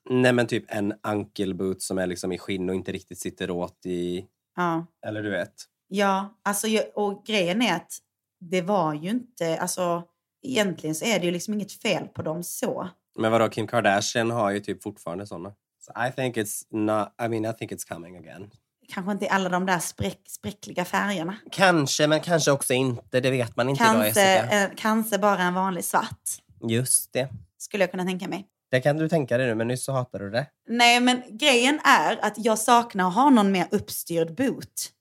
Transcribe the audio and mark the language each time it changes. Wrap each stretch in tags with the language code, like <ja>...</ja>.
<sv>Nej, men typ en ankelboot som är liksom i skinn och inte riktigt sitter åt i... Ja. Eller du vet. Ja, alltså och grejen är att det var ju inte... Alltså, egentligen så är det ju liksom inget fel på dem så... Men vadå, Kim Kardashian har ju typ fortfarande sådana.</sv> <en>So I think it's not, I mean I think it's coming again.</en> <sv>Kanske inte alla de där spräckliga färgerna. Kanske, men kanske också inte. Det vet man inte kanske, idag, Jessica. Kanske bara en vanlig svart. Just det. Skulle jag kunna tänka mig. Det kan du tänka dig nu, men nyss så hatar du det. Nej, men grejen är att jag saknar att ha någon mer uppstyrd boot.</sv>